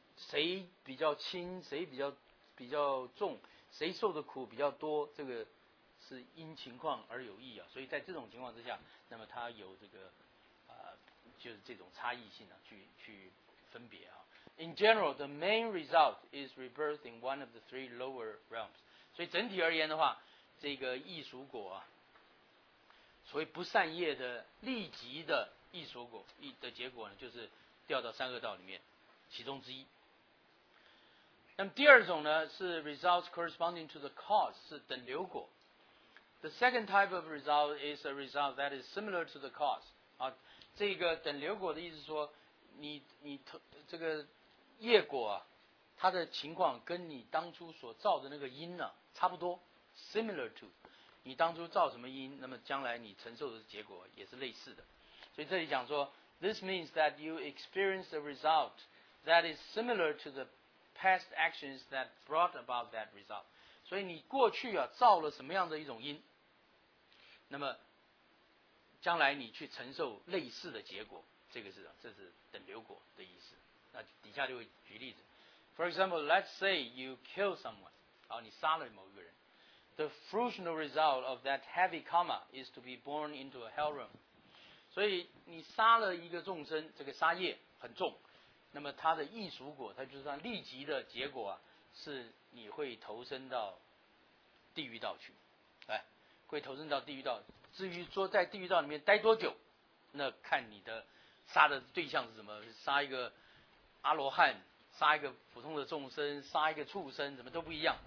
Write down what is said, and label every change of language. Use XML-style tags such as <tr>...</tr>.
<zh>谁比较轻，谁比较重，谁受的苦比较多，这个是因情况而有异啊。所以在这种情况之下，那么它有这个就是这种差异性啊，去分别啊。</zh> <en>In general, the main result is rebirth in one of the three lower realms.</en> <zh>所以整体而言的话，这个异俗果啊，所谓不善业的立即的异俗果的结果呢，就是掉到三恶道里面其中之一。那么第二种呢，是</zh> <en>results corresponding to the cause,</en> <zh>是等流果。</zh> <en>The second type of result is a result that is similar to the cause.</en> <zh>啊，这个等流果的意思说，你这个业果啊，它的情况跟你当初所造的那个因呢，差不多 ，</zh> <en>similar to。</en> <zh>你当初造什么因，那么将来你承受的结果也是类似的。所以这里讲说</zh> <en>，this means that you experience a result that is similar to the past actions that brought about that result。</en> <zh>所以你过去啊造了什么样的一种因，那么将来你去承受类似的结果，这个是等流果的意思。那底下就会举例子 ，</zh> <en>For example, let's say you kill someone，</en> <zh>好，你杀了某一个人。</zh> <en>The fruitional result of that heavy karma is to be born into a hell realm.</en> <zh>所以你杀了一个众生，这个杀业很重，那么他的异俗果，他就算立即的结果啊，是你会投身到地狱道去，哎，会投身到地狱道。至于说在地狱道里面待多久，那看你的杀的对象是什么，杀一个阿罗汉，杀一个普通的众生，杀一个畜生，怎么都不一样。</zh>